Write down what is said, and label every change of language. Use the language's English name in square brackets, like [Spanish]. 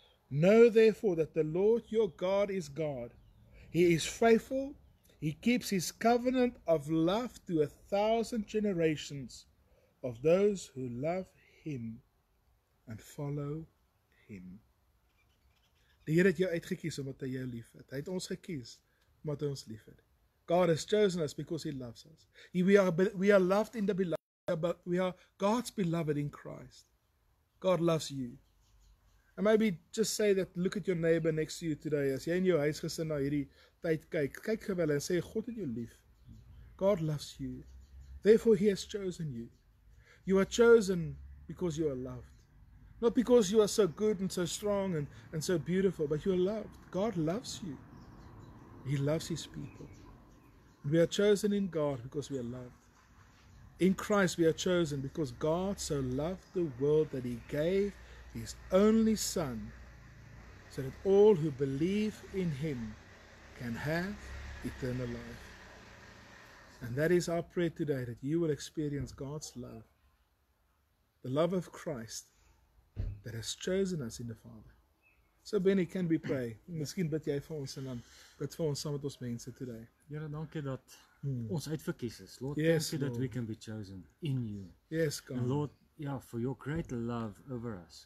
[English] Know therefore that the Lord your God is God. He is faithful. He keeps his covenant of love to 1,000 generations of those who love him and follow him. [Afrikaans] Die Heer het jou uitgekies omdat hy jou lief het. Hy het ons gekies omdat hy ons lief het. [English] God has chosen us because he loves us. We are loved in the beloved, but we are God's beloved in Christ. God loves you. And maybe just say that, look at your neighbor next to you today. [Afrikaans] As jy in jou huisgesin na hierdie tyd kyk, kyk gewel en sê, God het jou lief. [English] God loves you. Therefore he has chosen you. You are chosen because you are loved. Not because you are so good and so strong and so beautiful, but you are loved. God loves you. He loves his people. And we are chosen in God because we are loved. In Christ we are chosen because God so loved the world that he gave his only son, so that all who believe in him can have eternal life. And that is our prayer today, that you will experience God's love. The love of Christ that has chosen us in the Father. So Benny, can we pray? [Afrikaans] Misschien bid jy vir ons en dan bid vir ons saam met ons mense [English] today. [Afrikaans] Here, dank je dat ons uitverkies is. [English] Lord, yes, thank you, Lord, that we can be chosen in you. Yes, God. And Lord, yeah, for your great love over us.